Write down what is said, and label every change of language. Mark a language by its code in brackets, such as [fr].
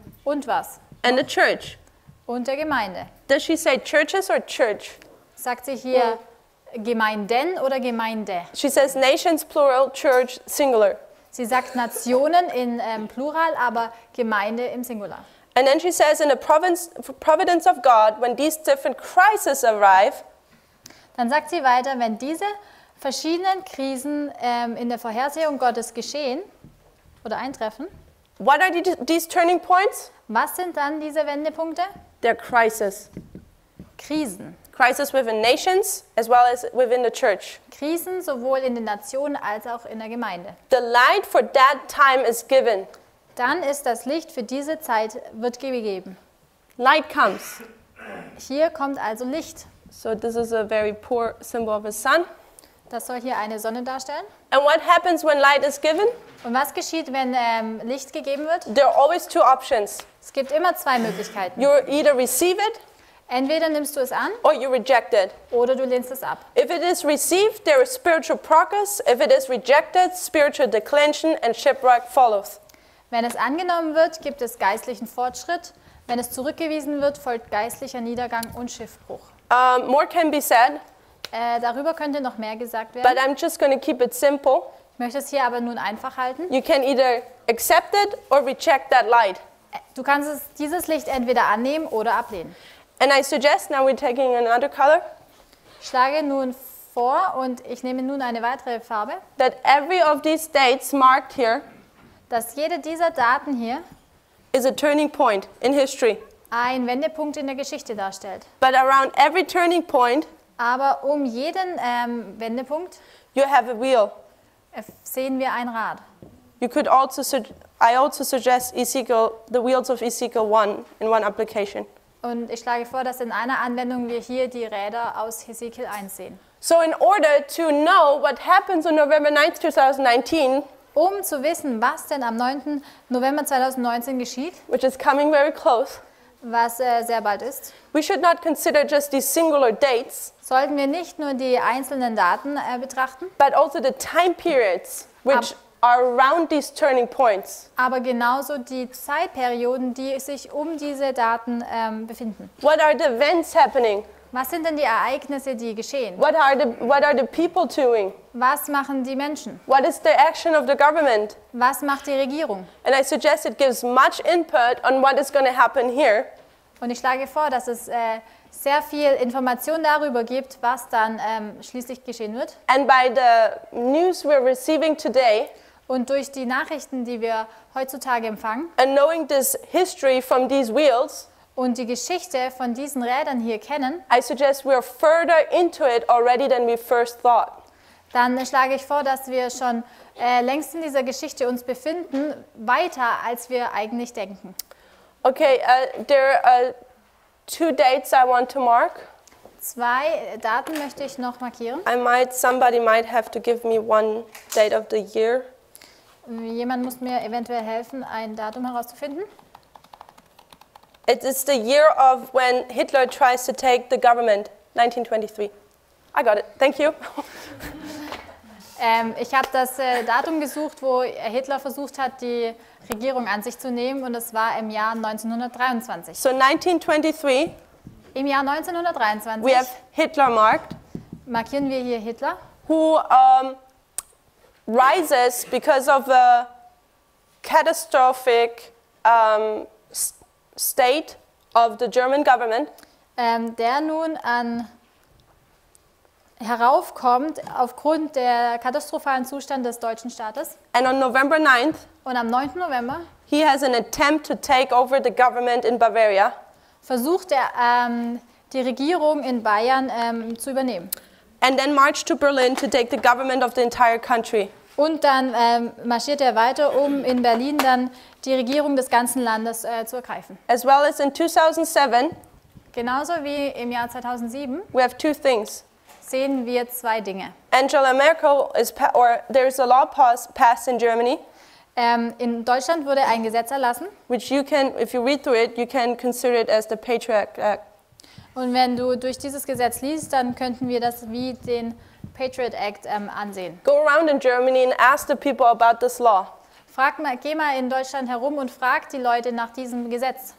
[de] Und was? [en] And the church. [de] Und der Gemeinde. [en] Does she say churches or church? [de] Sagt sie hier Gemeinden oder Gemeinde? [en] She says nations plural, church singular. [de] Sie sagt Nationen in Plural, aber Gemeinde im Singular. [en] And then she says in the providence of God, when these different crises arrive. [de] Dann sagt sie weiter, wenn diese verschiedenen Krisen in der Vorhersehung Gottes geschehen oder eintreffen. [en] What are these turning points? [de] Was sind dann diese Wendepunkte? [en] Their crisis. [de] Krisen. [en] Crisis within nations as well as within the church. [de] Krisen sowohl in den Nationen als auch in der Gemeinde. [en] The light for that time is given. [de] Dann ist das Licht für diese Zeit wird gegeben. [en] Light comes. [de] Hier kommt also Licht. [en] So this is a very poor symbol of a sun. [de] Das soll hier eine Sonne darstellen. [en] And what happens when light is given? [de] Und was geschieht, wenn Licht gegeben wird? [en] There are always two options. [de] Es gibt immer zwei Möglichkeiten. [en] You either receive it, [de] entweder nimmst du es an, [en] or you reject it, [de] oder du lehnst es ab. [en] If it is received, there is spiritual progress. If it is rejected, spiritual declension and shipwreck follows. [de] Wenn es angenommen wird, gibt es geistlichen Fortschritt. Wenn es zurückgewiesen wird, folgt geistlicher Niedergang und Schiffbruch. [en] More can be said. [de] Darüber könnte noch mehr gesagt werden. [en] But I'm just going to keep it simple. [de] Ich möchte es hier aber nun einfach halten. [en] You can either accept it or reject that light. [de] Du kannst es, dieses Licht entweder annehmen oder ablehnen. [en] And I suggest now we're taking another color. [de] Ich schlage nun vor und ich nehme nun eine weitere Farbe. [en] That every of these dates marked here, [de] dass jede dieser Daten hier, [en] is a turning point in history. [de] Ein Wendepunkt in der Geschichte darstellt. [en] But around every turning point, [de] aber um jeden Wendepunkt, [en] you have a wheel. [de] Sehen wir ein Rad. [en] You could also I also suggest Ezekiel, the wheels of Ezekiel 1 in one application. [de] Und ich schlage vor, dass in einer Anwendung wir hier die Räder aus Ezekiel 1 sehen. [en] So in order to know what happens on November 9th, 2019, [de] um zu wissen, was denn am 9. November 2019 geschieht, [en] which is coming very close, [de] was sehr bald ist, [en] we should not consider just these singular dates, [de] sollten wir nicht nur die einzelnen Daten betrachten, [en] but also the time periods, which are around these turning points. [de] Aber genauso die Zeitperioden, die sich um diese Daten befinden. [en] What are the events happening? [de] Was sind denn die Ereignisse, die geschehen? [en] What are the people doing? [de] Was machen die Menschen? [en] What is the action of the government? [de] Was macht die Regierung? [en] And I suggest it gives much input on what is going to happen here. [de] Und ich schlage vor, dass es sehr viel Information darüber gibt, was dann schließlich geschehen wird. [en] And by the news we're receiving today, [de] und durch die Nachrichten, die wir heutzutage empfangen, [en] and knowing this history from these wheels, [de] und die Geschichte von diesen Rädern hier kennen, [en] I suggest we are further into it already than we first thought. [de] Dann schlage ich vor, dass wir schon längst in dieser Geschichte uns befinden, weiter als wir eigentlich denken. [en] Okay, there are two dates I want to mark. [de] Zwei Daten möchte ich noch markieren. [en] Somebody might have to give me one date of the year. [de] Jemand muss mir eventuell helfen, ein Datum herauszufinden. [en] It is the year of when Hitler tries to take the government, 1923. I got it. Thank you. [de] Ich habe das Datum gesucht, wo Hitler versucht hat, die Regierung an sich zu nehmen, und es war im Jahr 1923. [en] So 1923. [de] Im Jahr 1923. [en] We have Hitler marked. [de] Markieren wir hier Hitler. [en] Who rises because of a catastrophic state of the German government. [de] Der nun an heraufkommt aufgrund der katastrophalen Zustand des deutschen Staates. [en] And on November 9th, [de] und am 9. November, [en] he has an attempt to take over the government in Bavaria. [de] Versucht er die Regierung in Bayern zu übernehmen. [en] And then marched to Berlin to take the government of the entire country. [de] Und dann marschiert er weiter, um in Berlin dann die Regierung des ganzen Landes zu ergreifen. [en] As well as in 2007, [de] genauso wie im Jahr 2007, [en] we have two things. [de] Sehen wir zwei Dinge. [en] Angela Merkel is there is a law passed in Germany. [de] In Deutschland wurde ein Gesetz erlassen, [en] which you can, if you read through it, you can consider it as the Patriot Act. [de] Und wenn du durch dieses Gesetz liest, dann könnten wir das wie den Patriot Act ansehen. [en] Go around in Germany and ask the people about this law. [de] Frag mal, geh mal in Deutschland herum und frag die Leute nach diesem Gesetz.